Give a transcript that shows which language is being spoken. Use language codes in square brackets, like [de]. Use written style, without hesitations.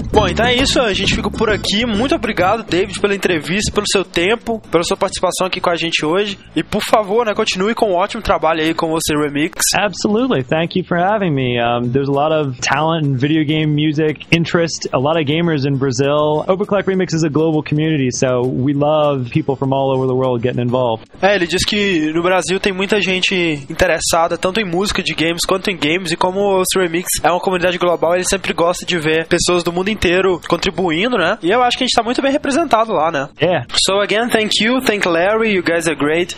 [pt] Então é isso, a gente fica por aqui. Muito obrigado, David, pela entrevista, pelo seu tempo, pela sua participação aqui com a gente hoje. E por favor, né, continue com um ótimo trabalho aí com você, Remix. [en] Absolutely, thank you for having me. There's a lot of talent in video game music, interest, a lot of gamers in Brazil. Overclock Remix is a global community, so we love people from all over the world getting involved. [pt] É, ele disse que no Brasil tem muita gente interessada, tanto em música de games, quanto em games, e como o Remix é uma comunidade global, ele sempre gosta de ver pessoas do mundo inteiro contribuindo, né? E eu acho que a gente tá muito bem representado lá, né? [en] Yeah. So again, thank you. Thank Larry. You guys are great.